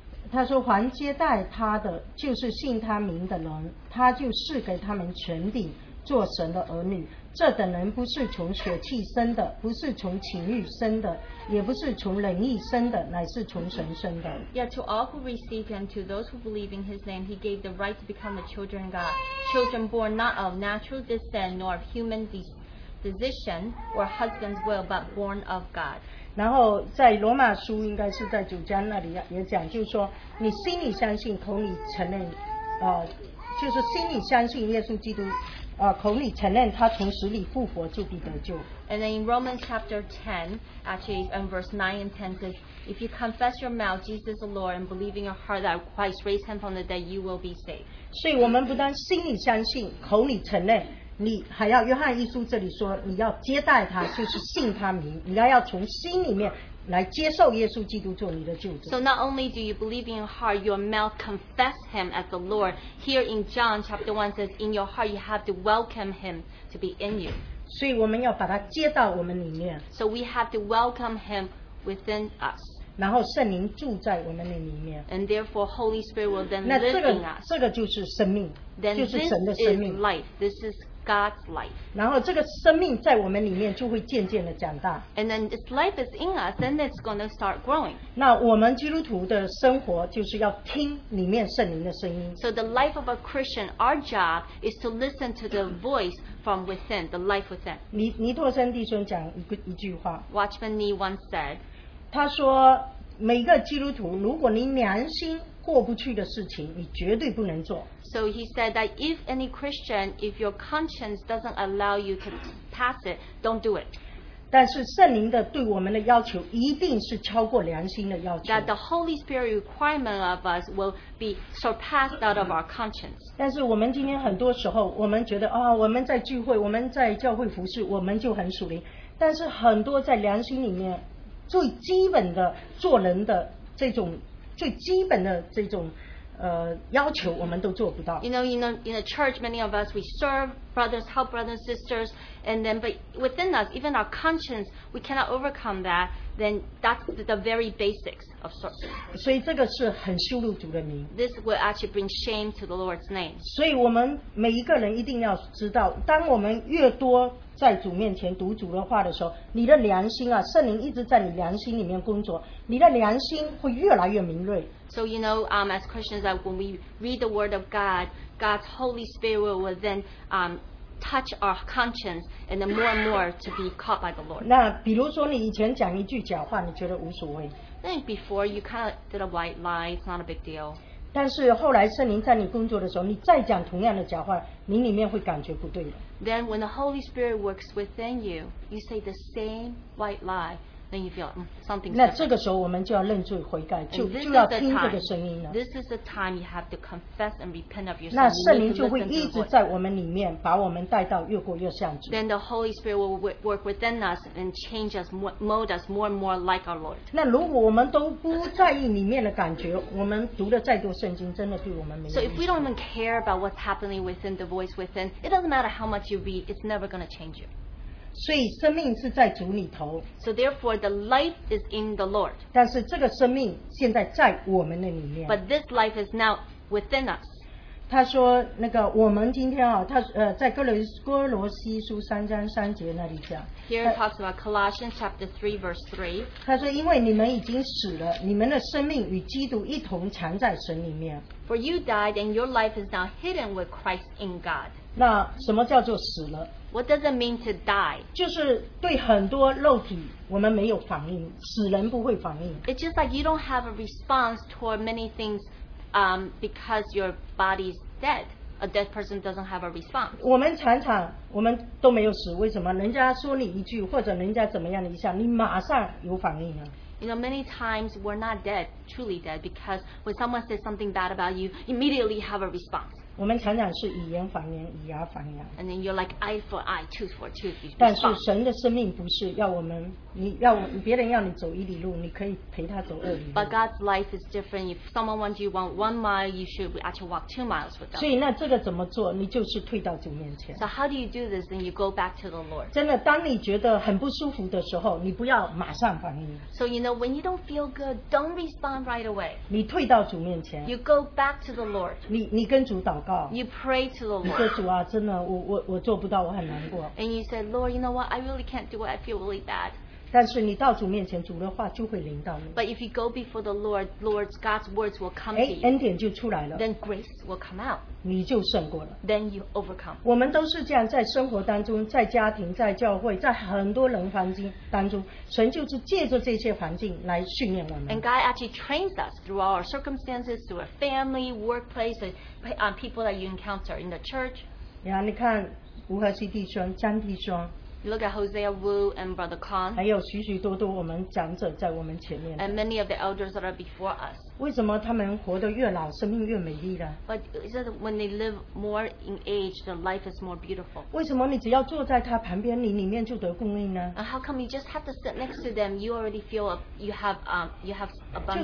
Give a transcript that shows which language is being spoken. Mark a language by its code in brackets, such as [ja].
[zh] 他说凡接待他的就是信他名的人他就赐给他们权柄做神的儿女这等人不是从血气生的不是从情欲生的也不是从人意生的乃是从神生的 [en] Yet to all who receive him to those who believe in his name he gave the right to become the children of God children born not of natural descent nor of human decision or husband's will but born of God [zh] 然后在罗马书应该是在九章那里也讲就是说你心里相信口里承认就是心里相信耶稣基督口里承认他从死里复活就必得救 [en] And then in Romans chapter 10 actually in verse 9 and 10 says if you confess your mouth Jesus the Lord and believe in your heart that Christ raised him from the dead you will be saved [zh] 所以我们不但心里相信口里承认你还要约翰一书这里说你要接待他就是信他名你要从心里面来接受耶稣基督做你的救主 [en] So not only do you believe in your heart your mouth confess him as the Lord here in John chapter 1 says in your heart you have to welcome him to be in you [zh] 所以我们要把他接到我们里面 [en] So we have to welcome him within us [zh] 然后圣灵住在我们的里面 [en] And therefore Holy Spirit will then live in us [zh] 这个就是生命 [en] Then [zh] 就是神的生命 [en] this is life this isGod's life. [zh] 然后这个生命在我们里面就会渐渐的长大。 [en] And then its life is in us, then it's going to start growing. [zh] 那我们基督徒的生活就是要听里面圣灵的声音。 [en] So the life of a Christian, our job is to listen to the voice from within, the life within. [zh] 尼托森弟兄讲一句话。 [en] Watchman Nee once said, [zh] 他说每个基督徒如果你良心过不去的事情你绝对不能做 [en] So he said that if any Christian if your conscience doesn't allow you to pass it don't do it [zh] 但是圣灵的对我们的要求一定是超过良心的要求 [en] That the Holy Spirit requirement of us will be surpassed out of our conscience [zh] 但是我们今天很多时候我们觉得啊、哦，我们在聚会我们在教会服事我们就很属灵但是很多在良心里面最基本的做人的这种最基本的这种要求我们都做不到 [en] You know, in the church, many of us, we serve brothers, help brothers and sisters, and then, but within us, even our conscience, we cannot overcome that, then that's the very basics of sorts. [zh] 所以这个是很羞辱主的名 [en] This will actually bring shame to the Lord's name. [zh] 所以我们每一个人一定要知道当我们越多在主面前读主的话的时候你的良心啊圣灵一直在你良心里面工作你的良心会越来越敏锐 [en] So you know as Christians that when we read the word of God God's Holy Spirit will then touch our conscience and then more and more to be caught by the Lord [zh] 那比如说你以前讲一句假话你觉得无所谓 [en] Then before you kind of did a white lie it's not a big deal [zh] 但是后来圣灵在你工作的时候你再讲同样的假话你里面会感觉不对了 [en] Then when the Holy Spirit works within you, you say the same white lie, then you feel something's different. [zh] 那这个时候我们就要认罪悔改，就要听这个声音了。 [en] This is the time you have to confess and repent of your sin. [zh] 那圣灵就会一直在我们里面，把我们带到越过越像主。 [en] Then the Holy Spirit will work within us and change us, mold us more and more like our Lord. [zh] 那如果我们都不在意里面的感觉，我们读的再多圣经，真的对我们没有。 [en] So if we don't even care about what's happening within the voice within, it doesn't matter how much you read, it's never going to change you. [zh] 所以生命是在主里头 [en] So therefore the life is in the Lord [zh] 但是这个生命现在在我们的里面 [en] But this life is now within us [zh] 他说那个我们今天啊他在哥罗西书三章三节那里讲 [en] Here it talks about Colossians chapter 3 verse 3 [zh] 他说因为你们已经死了你们的生命与基督一同藏在神里面 [en] For you died and your life is now hidden with Christ in God [zh] 那什么叫做死了 [en] What does it mean to die? [zh] 就是对很多肉体我们没有反应死人不会反应 [en] It's just like you don't have a response toward many things because your body's dead. A dead person doesn't have a response. [zh] 我们常常我们都没有死为什么人家说你一句或者人家怎么样一下你马上有反应了 [en] You know, many times we're not dead, truly dead because when someone says something bad about you, immediately have a response. [zh] 我们常常是以言还言，以牙还牙。 [en] And then you're like eye for eye, tooth for tooth. [zh] 但是神的生命不是要我们，你要别人要你走一里路，你可以陪他走二里路。 [en] But God's life is different. If someone wants you want 1 mile, you should actually walk 2 miles with them. [zh] 所以那这个怎么做？你就是退到主面前。 [en] So how do you do this? Then you go back to the Lord. [zh] 真的，当你觉得很不舒服的时候，你不要马上反应。 [en] So you know when you don't feel good, don't respond right away. [zh] 你退到主面前。 [en] You go back to the Lord. [zh] 你跟主祷告。 [en] You pray to the Lord. [zh] 你说主啊，真的，我做不到，我很难过。 [en] And you say, Lord, you know what? I really can't do it. I feel really bad. [zh] 但是你到主面前，主的话就会临到你。 [en] But if you go before the Lord, God's words will come to you. [zh] 恩典就出来了。 [en] Then grace will come out. [zh] 你就胜过了。 [en] Then you overcome. [zh] 我们都是这样，在生活当中，在家庭，在教会，在很多人环境当中，神就是借着这些环境来训练我们。 [en] And God actually trains us through all our circumstances, through our family, workplace, and people that you encounter in the church. Yeah, [zh] 你看吴和熙弟兄、张弟兄。 [en] You look at Hosea Wu and Brother Khan. [zh] 还有许许多多我们长者在我们前面。 [en] And many of the elders that are before us. [zh] 为什么他们活得越老，生命越美丽呢？ [en] But is it when they live more in age, the life is more beautiful? [zh] 为什么你只要坐在他旁边，你里面就得供应呢？ [en] And how come you just have to sit next to them, you already feel you have abundance?